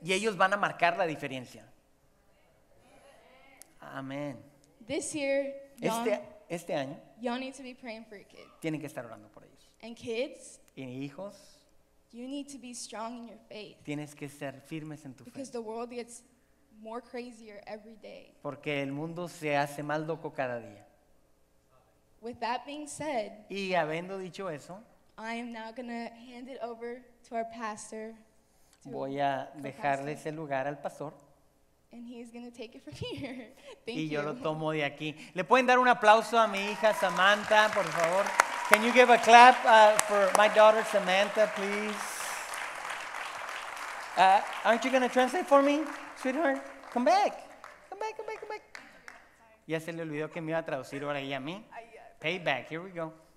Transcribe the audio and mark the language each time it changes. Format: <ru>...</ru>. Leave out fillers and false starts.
<es>Y ellos van a marcar la diferencia.</es> <en>Amen. This year,</en> <es>este año,</es> <en>y'all need to be praying for your kids.</en> <es>Tienen que estar orando por ellos.</es> <en>And kids,</en> <es>y hijos,</es> <en>you need to be strong in your faith.</en> <es>Tienes que ser firmes en tu</es> <en>because</en> <es>fe.</es> <en>The world gets more crazier every day.</en> <es>Porque el mundo se hace más loco cada día.</es> <en>With that being said,</en> <es>y habiendo dicho eso,</es> <en>I am now going to hand it over to our pastor.</en> <es>Voy a dejarles el lugar al pastor.</es> <en>And he's going to take it from here. Thank</en> <es>y</es> <en>you.</en> <es>Y yo lo tomo de aquí. ¿Le pueden dar un aplauso a mi hija Samantha, por favor?</es> <en>Can you give a clap for my daughter Samantha, please? Aren't you going to translate for me, sweetheart? Come back. Come back, come back, come back.</en> <es>Ya se le olvidó que me iba a traducir ahora ella a mí.</es> <en>Payback, here we go.</en>